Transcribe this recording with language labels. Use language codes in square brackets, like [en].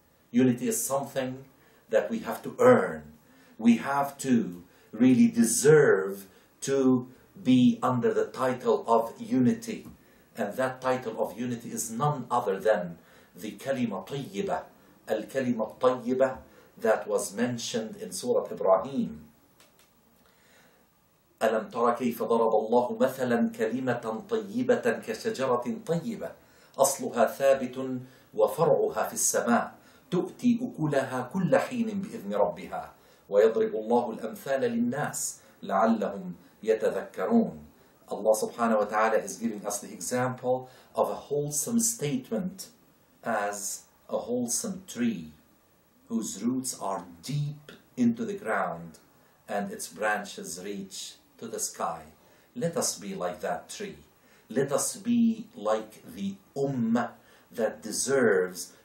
[en] Unity is something that we have to earn. We have to really deserve to be under the title of unity. And that title of unity is none other than the kalima tayyiba, al-kalima tayyiba that was mentioned in Surah Ibrahim. [ar] ألم تر كيف ضرب الله مثلا كلمة طيبة كشجرة طيبة أصلها ثابت وفرعها في السماء تؤتي أكلها كل حين بإذن ربها ويضرب الله الأمثال للناس لعلهم يتذكرون. [en] Allah subhanahu wa ta'ala is giving us the example of a wholesome statement as a wholesome tree whose roots are deep into the ground and its branches reach to the sky. Let us be like that tree. Let us be like the ummah that deserves